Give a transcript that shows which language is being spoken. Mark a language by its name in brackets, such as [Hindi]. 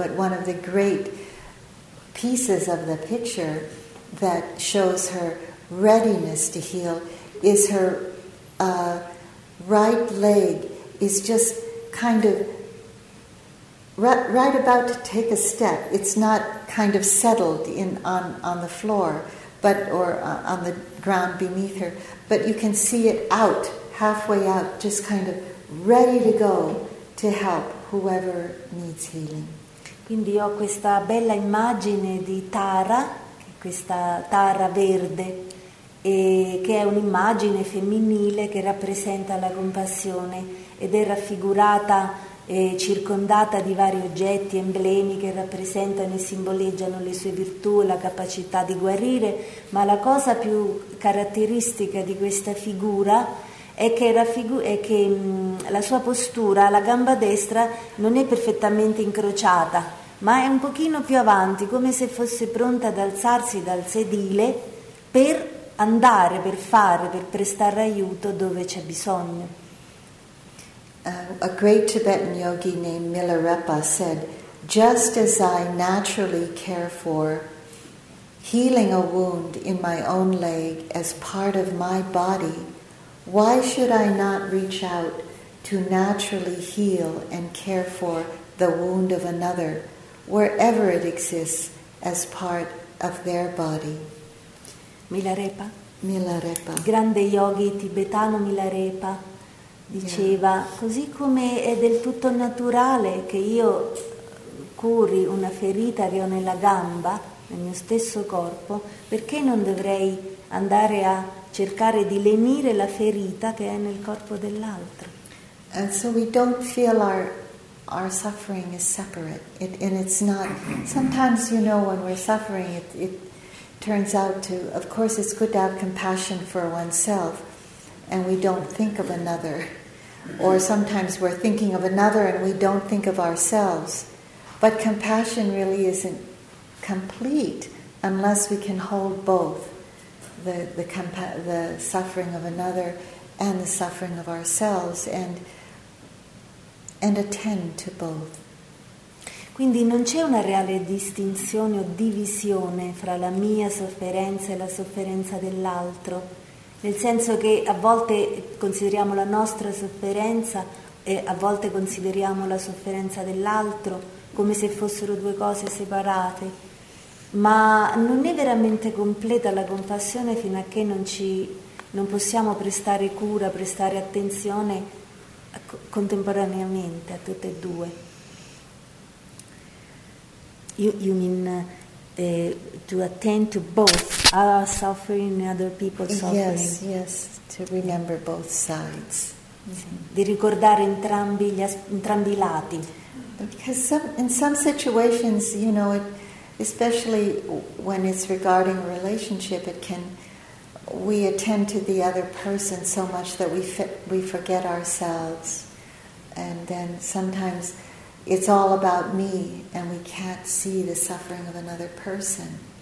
[English] But one of the great pieces of the picture that shows her readiness to heal is her right leg is just kind of right about to take a step. It's not kind of settled on the floor, but or on the ground beneath her, but you can see it out, halfway out, just kind of ready to go to help whoever needs healing. [Italian] Quindi ho questa bella immagine di Tara, questa Tara verde, e che è un'immagine femminile che rappresenta la compassione, ed è raffigurata e circondata di vari oggetti, emblemi che rappresentano e simboleggiano le sue virtù e la capacità di guarire. Ma la cosa più caratteristica di questa figura è che la sua postura, la gamba destra, non è perfettamente incrociata, ma è un pochino più avanti, come se fosse pronta ad alzarsi dal sedile per andare, per fare, per prestare aiuto dove c'è bisogno. [English] A great Tibetan yogi named Milarepa said, "Just as I naturally care for healing a wound in my own leg as part of my body, why should I not reach out to naturally heal and care for the wound of another, wherever it exists, as part of their body?" Milarepa. Milarepa. [Italian] Grande yogi tibetano Milarepa diceva, yeah, così come è del tutto naturale che io curi una ferita che ho nella gamba, nel mio stesso corpo, perché non dovrei andare a cercare di lenire la ferita che è nel corpo dell'altro? [English] And so we don't feel our suffering is separate, and it's not. Sometimes, you know, when we're suffering, it turns out to, of course, it's good to have compassion for oneself and we don't think of another. Or sometimes we're thinking of another and we don't think of ourselves. But compassion really isn't complete unless we can hold both the suffering of another and the suffering of ourselves and attend to both. [Italian] Quindi non c'è una reale distinzione o divisione fra la mia sofferenza e la sofferenza dell'altro, nel senso che a volte consideriamo la nostra sofferenza e a volte consideriamo la sofferenza dell'altro come se fossero due cose separate, ma non è veramente completa la compassione fino a che non possiamo prestare cura, prestare attenzione contemporaneamente a tutte e due. [English] You mean to attend to both our suffering and other people's suffering? Yes, to remember both sides. [Italian] Di ricordare entrambi I lati. [English] Because in some situations, you know, especially when it's regarding relationship, we attend to the other person so much that we forget ourselves, and then sometimes it's all about me, and we can't see the suffering of another person.